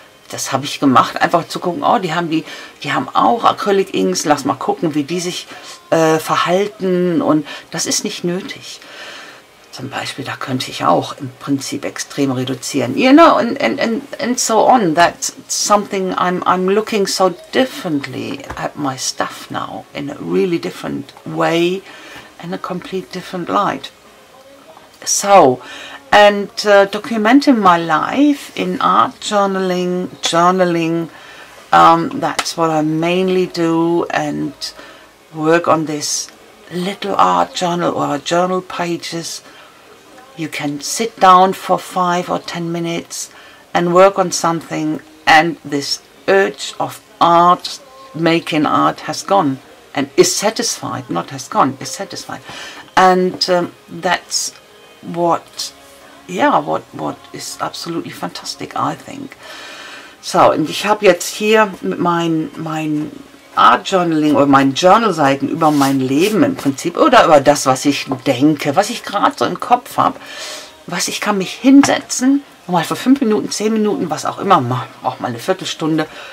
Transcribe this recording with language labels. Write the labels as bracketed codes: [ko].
[de] Das habe ich gemacht, einfach zu gucken, oh, die haben auch Acrylic Inks, lass mal gucken, wie die sich verhalten, und das ist nicht nötig. Zum Beispiel, da könnte ich auch im Prinzip extrem reduzieren. [en] You know, and so on. That's something I'm looking so differently at my stuff now. In a really different way. In a complete different light. So, and documenting my life in art journaling. That's what I mainly do, and work on this little art journal or journal pages. You can sit down for 5 or 10 minutes and work on something, and this urge of art, making art, has gone and is satisfied, not has gone, is satisfied. And that's what is absolutely fantastic, I think. So, and [de] ich habe jetzt hier mein Art Journaling oder meine Journalseiten über mein Leben im Prinzip oder über das, was ich denke, was ich gerade so im Kopf habe, was ich kann mich hinsetzen, mal für 5 Minuten, 10 Minuten, was auch immer, auch mal eine Viertelstunde